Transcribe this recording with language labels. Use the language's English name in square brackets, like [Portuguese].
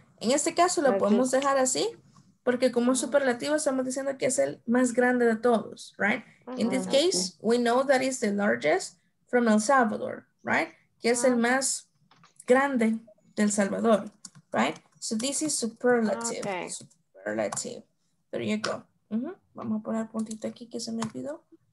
[Spanish] En este caso lo podemos dejar así, porque como superlativo estamos diciendo que es el más grande de todos, right? [English] In this case, we know that is the largest from El Salvador, right? [Spanish] Que es el más grande del Salvador, right? [English] So this is superlative. Okay. Superlative. There you go. [Spanish] Vamos a poner puntito aquí que se me olvidó.